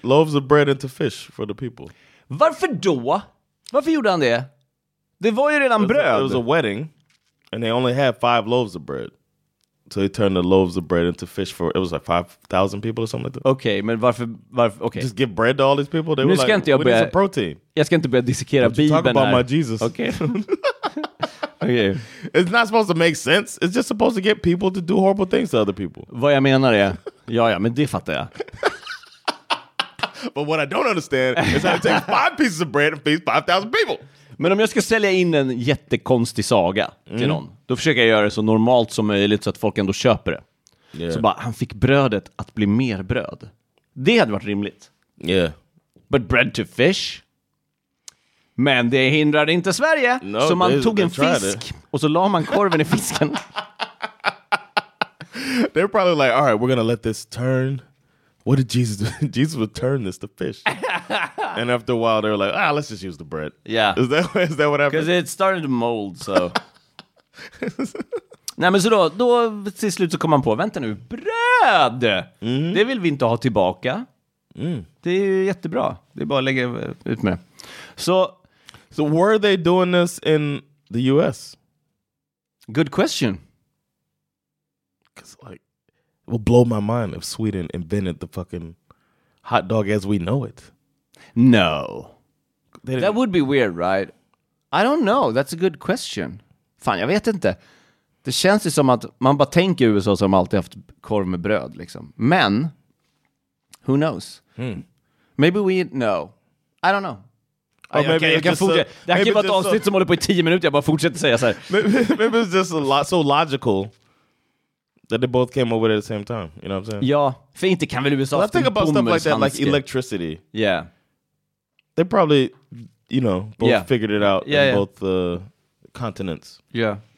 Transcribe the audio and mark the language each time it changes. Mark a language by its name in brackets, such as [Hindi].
[English] Loaves of bread into fish for the people. [Swedish] Varför då? Varför gjorde han det? Det var ju redan bröd. [English] It was a wedding, and they only had 5 loaves of bread. So he turned the loaves of bread into fish for, it was like 5,000 people or something like that. [Swedish] Okej, okay, men varför, okay. [English] Just give bread to all these people? They [Swedish] nu [English] were [Swedish] ska [English] like, [Swedish] inte jag [English] we need some protein. [Swedish] Jag ska inte börja dissekera Bibeln här. [English] Talk about my Jesus. [Swedish] Okej. Okay. [English] It's not supposed to make sense. It's just supposed to get people to do horrible things to other people. [Swedish] Vad jag menar är, ja, men det fattar jag. [English] But what I don't understand is how to take 5 pieces of bread and feed 5,000 people. [Swedish] Men om jag ska sälja in en jättekonstig saga till någon, då försöker jag göra det så normalt som möjligt så att folk ändå köper det. Yeah. Så bara, han fick brödet att bli mer bröd. Det hade varit rimligt. [English] Yeah. But bread to fish? [Swedish] Men det hindrade inte Sverige. [English] No, [Swedish] så man tog en fisk och så la man korven i fisken. [English] They're probably like, all right, we're gonna let this turn. What did Jesus do? Jesus would turn this to fish. And after a while, they were like, let's just use the bread. Yeah. Is that what happened? Because it started to mold, so. [Swedish] Nej, men så då till slut så kom man på, vänta nu, bröd! Mm. Det vill vi inte ha tillbaka. Mm. Det är ju jättebra. Det är bara att lägga ut med. [English] So were they doing this in the US? Good question. Because, like, It will blow my mind if Sweden invented the fucking hot dog as we know it. No. That would be weird, right? I don't know. That's a good question. [Swedish] Fan, jag vet inte. Det känns ju som att man bara tänker USA som alltid haft korv med bröd, liksom. [English] Men, who knows? Hmm. Maybe we know. I don't know. [Swedish] Det här kan vara ett avsnitt som håller på i 10 minutes. Jag bara fortsätter säga så här. [English] Maybe it's just so logical that they both came over at the same time. You know what I'm saying? [Swedish] Ja, för inte kan väl USA... [English] Well, I think about stuff like that, like electricity. Yeah. They probably, you know, both figured it out in both the continents. Yeah.